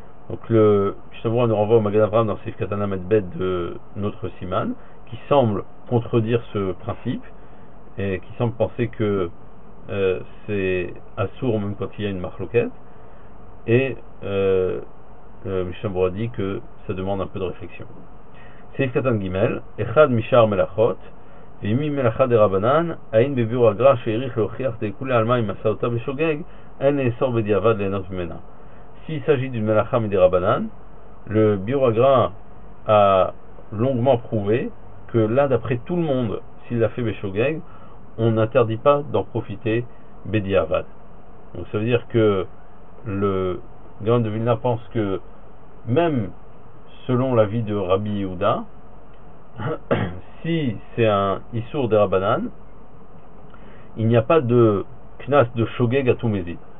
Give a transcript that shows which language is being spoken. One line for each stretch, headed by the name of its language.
French: Donc le Mishnah nous renvoie au Magen Avraham dans sif katan amet bet de notre siman, qui semble contredire ce principe, et qui semble penser que c'est assourd même quand il y a une machloquette, et Mishnah dit que ça demande un peu de réflexion.
Hebrew: Sif katan gimel, echad mishar melachot, וימי מלאכה דרבנן, אין בביאור הגר"א שהעריך להוכיח דכולי עלמא אם עשה אותה בשוגג, אין לאסור בדיעבד ליהנות ממנה.
French: S'il s'agit d'une מלאכה מדרבנן, le biur agra a longuement prouvé que là, d'après tout le monde, s'il l'a fait בשוגג, on n'interdit pas d'en profiter בדיעבד. Donc ça veut dire que le Gaon de Vilna pense que même selon l'avis de Rabbi Yehuda, si c'est un issour des Rabbanan, il n'y a pas de knas de shogeg à tout mézid.